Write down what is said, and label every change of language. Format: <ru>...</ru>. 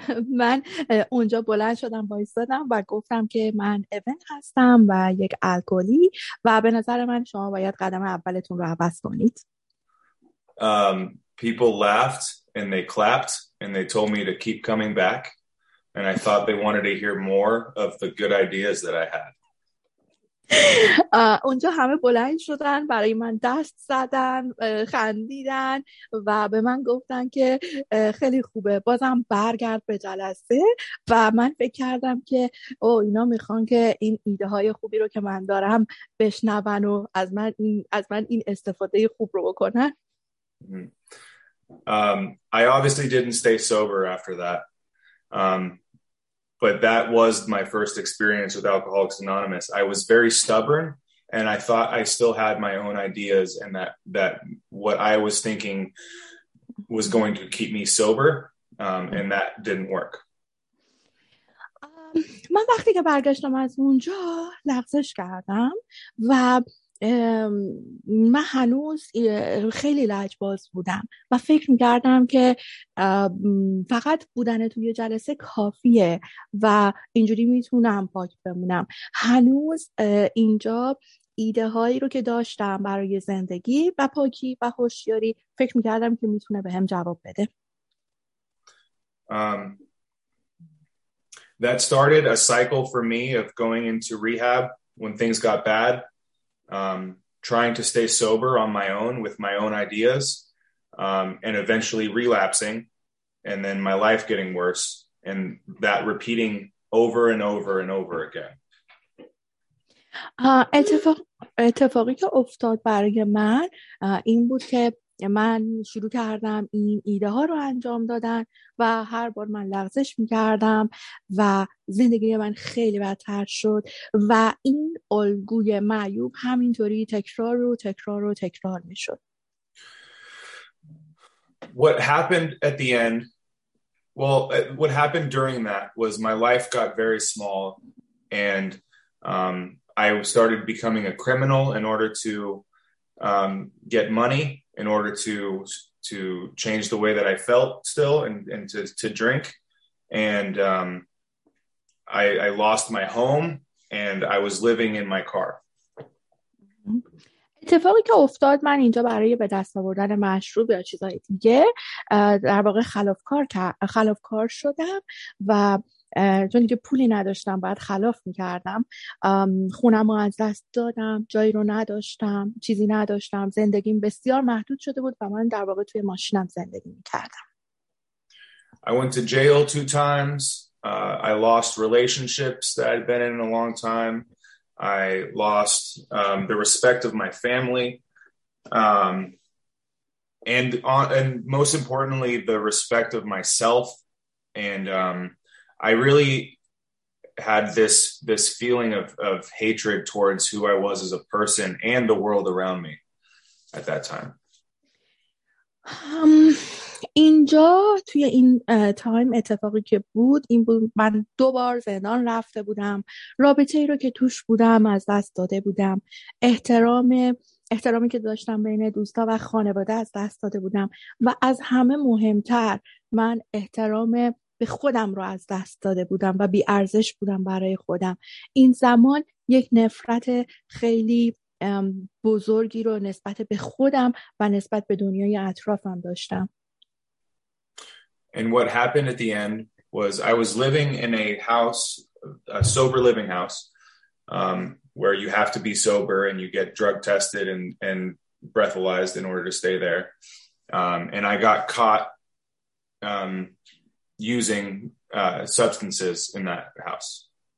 <fa>من اونجا بلند شدم وایستادم و گفتم که من اون هستم و یک الکلی و به نظر من شما باید قدم اولتون رو عوض کنید.</fa> <en>People laughed and they clapped and they told me to keep coming back and I thought they wanted to hear more of the good ideas that I had.</en> <fa>اونجا همه بلند شدن برای من دست زدن خندیدن و به من گفتن که خیلی خوبه بازم برگرد به جلسه و من فکر کردم که اینا میخوان که این ایده های خوبی رو که من دارم بشنون و از من این استفاده خوب رو بکنن.</fa> <en>I obviously didn't stay sober after that. But that was my first experience with Alcoholics Anonymous. I was very stubborn, and I thought I still had my own ideas and that what I was thinking was going to keep me sober, and that didn't work.</en> <fa>من وقتی که برگشتم از اونجا لغزش کردم و من هنوز خیلی لجباز بودم و فکر میکردم که فقط بودن توی جلسه کافیه و اینجوری میتونم پاک بمونم. هنوز اینجا ایده هایی رو که داشتم برای زندگی و پاکی و هوشیاری فکر میکردم که میتونه به هم جواب بده.</fa> <en>That started a cycle for me of going into rehab when things got bad. Trying to stay sober on my own with my own ideas, and eventually relapsing, and then my life getting worse, and that repeating over and over and over again.</en> <fa>اتفاقی که افتاد برای من این بود که من شروع کردم این ایده ها رو انجام دادن و هر بار من لغزش می کردم و زندگی من خیلی بدتر شد و این الگوی معیوب همینطوری تکرار و تکرار و تکرار می شد.</fa> <en>What happened at the end, well, what happened during that was my life got very small and I started becoming a criminal in order to get money. In order to change the way that I felt still and to drink. And I lost my home and I was living in my car.</en> <fa>اتفاقی که افتاد من اینجا برای به دست آوردن مشروب یا چیزهای دیگه در واقع خلافکار شدم و چون که پولی نداشتم باید خلاف میکردم، خونم رو از دست دادم، جایی رو نداشتم، چیزی نداشتم، زندگیم بسیار محدود شده بود و من در واقع توی ماشینم زندگی میکردم.</fa> <en>I went to jail 2 times. I lost relationships that I'd been in a long time. I lost the respect of my family. And most importantly, the respect of myself. And I really had this feeling of hatred towards who I was as a person and the world around me at that time.</en> <fa>اینجا توی این تایم اتفاقی که بود این بود من 2 بار زندان رفته بودم، رابطه ای رو که توش بودم از دست داده بودم، احترامی که داشتم بین دوستا و خانواده از دست داده بودم و از همه مهمتر من احترام به خودم رو از دست داده بودم و بی ارزش بودم برای خودم. این زمان یک نفرت خیلی بزرگی رو نسبت به خودم و نسبت به دنیای اطرافم داشتم.</fa> <en>And what happened at the end was I was living in a house, a sober living house, where you have to be sober and you get drug tested and breathalyzed in order to stay there. And I got caught using substances in that house.</en>